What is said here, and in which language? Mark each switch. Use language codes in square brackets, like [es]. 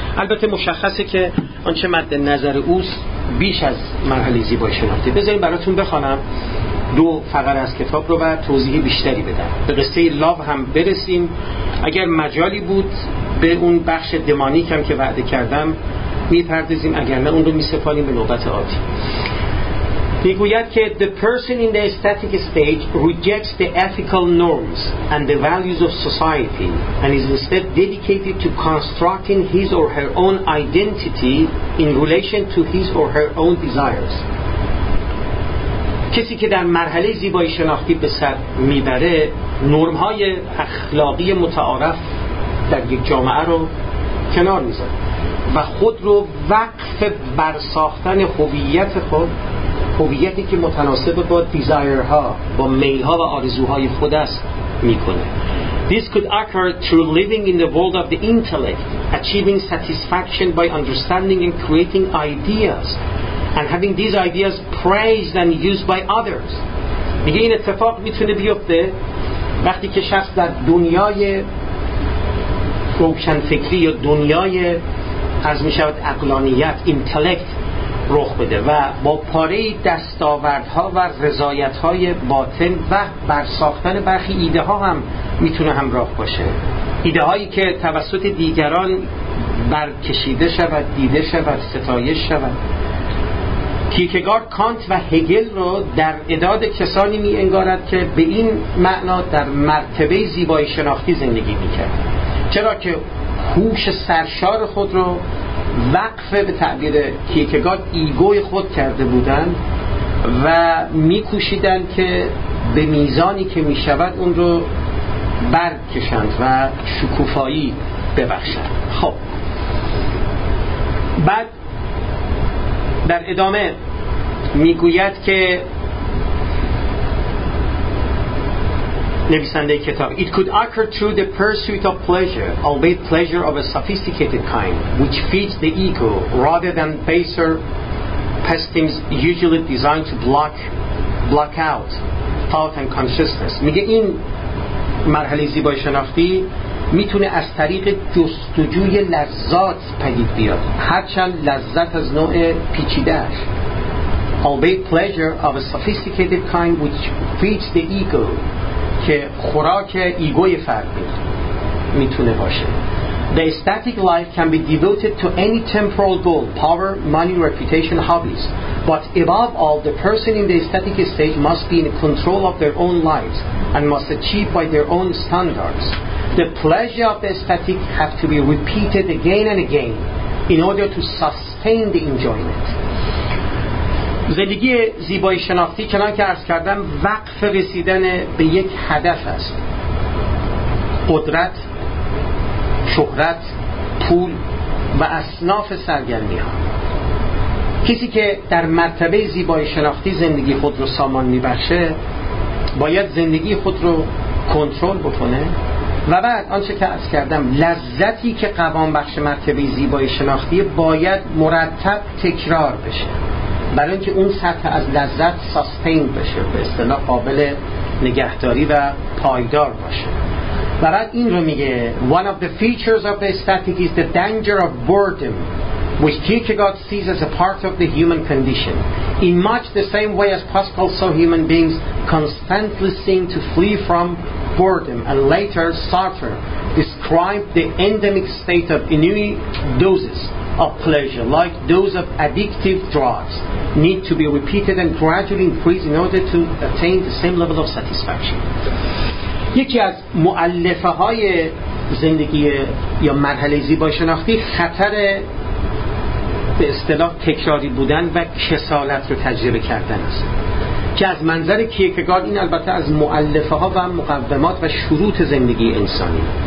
[fa] البته مشخصه که آنچه مد نظر اوست بیش از مرحله زیبایی شناختی. بذاریم براتون بخوانم دو فقره از کتاب رو و توضیح بیشتری بدم. به قصه لاو هم برسیم اگر مجالی بود، به اون بخش دمانیک هم که وعده کردم میپردازیم، اگر نه اون رو میسپاریم به نوبت آتی. میگوید که [en] the person in the ecstatic stage rejects the ethical norms and the values of society and is instead dedicated to constructing his or her own identity in relation to his or her own desires. [fa] کسی که در مرحله زیبایی شناختی به سر میبره، نرم های اخلاقی متعارف در یک جامعه رو کنار میذاره و خود رو وقف بر ساختن هویت خود، هویتی که متناسب با دیزایرها، با میلها و آرزوهای خود است، میکنه. [en] This could occur through living in the world of the intellect, achieving satisfaction by understanding and creating ideas, and having these ideas praised and used by others. [fa] میگه این اتفاق میتونه بیفته وقتی که شخص در دنیای روشن فکری یا دنیای از میشود عقلانیت، intellect رخ بده و با پاره دستاوردها و رضایتهای باطن و برساختن برخی ایده ها هم میتونه همراه باشه، ایده هایی که توسط دیگران برکشیده شود، دیده شود، ستایش شود. کیرکگارد کانت و هگل رو در اداد کسانی می انگارد که به این معنا در مرتبه زیبایی شناختی زندگی می کرد، چرا که هوش سرشار خود رو وقف به تعبیر کیرکگارد ایگوی خود کرده بودن و می کوشیدن که به میزانی که می شود اون رو برکشند و شکوفایی ببخشند. خب بعد در ادامه میگوید که نویسنده کتاب [en] It could occur through the pursuit of pleasure, albeit pleasure of a sophisticated kind, which feeds the ego rather than baser pastimes usually designed to block out thought and consciousness. [fa] میگه این مرحله زیبایی شناختی میتونه از طریق جستجوی لذات پدید بیاد، هرچند لذت از نوع پیچیده است. [en] Albeit pleasure of a sophisticated kind which feeds the ego, [fa] که خوراک ایگوی فردی میتونه باشه. [en] The ecstatic life can be devoted to any temporal goal, power, money, reputation, hobbies. But above all, the person in the ecstatic stage must be in control of their own lives and must achieve by their own standards. The pleasure of the ecstatic have to be repeated again and again in order to sustain the enjoyment. [fa] زندگی زیبایی شناختی چنان که عرض کردم وقف رسیدن به یک هدف است. قدرت، شهرت، پول و اصناف سرگرمی ها. کسی که در مرتبه زیبایی شناختی زندگی خود رو سامان میبخشه باید زندگی خود رو کنترل بکنه و بعد آنچه که عرض کردم لذتی که قوام بخش مرتبه زیبایی شناختی باید مرتب تکرار بشه برای اینکه اون سطح از لذت ساستین بشه، به اصطلاح قابل نگهداری و پایدار باشه. و بعد این رو میگه [en] One of the features of the ecstatic is the danger of boredom, which Kierkegaard sees as a part of the human condition, in much the same way as Pascal saw human beings constantly seeing to flee from boredom, and later Sartre described the endemic state of ennui doses of pleasure, like those of addictive drugs, need to be repeated and gradually increased in order to attain the same level of satisfaction. [fa] یکی از مؤلفه های زندگی یا مرحله زیبایی شناختی خطر به اصطلاح تکراری بودن و کسالت رو تجربه کردن است، که از منظر کیرکگارد این البته از مؤلفه ها و مقدمات و شروط زندگی انسانی.